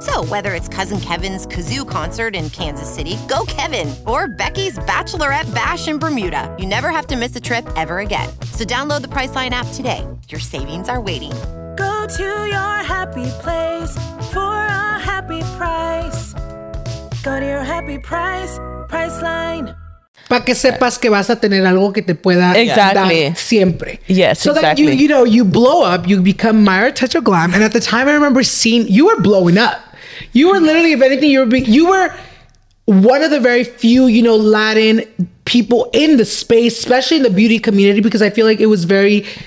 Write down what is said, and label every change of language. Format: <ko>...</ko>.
<en>So whether it's Cousin Kevin's Kazoo Concert in Kansas City, go Kevin! Or Becky's Bachelorette Bash in Bermuda, you never have to miss a trip ever again. So download the Priceline app today. Your savings are waiting. Go to your happy place for a happy price. Go to your happy price, Priceline.</en> <es>Para que sepas que vas a tener algo que te pueda dar siempre.</es> <en>Yes, so exactly. So that, you know, you blow up, you become Mayra Touch of Glam. And at the time, I remember seeing, you were blowing up. You were literally, if anything, you were one of the very few, you know, Latin people in the space, especially in the beauty community, because I feel like it was very...</en>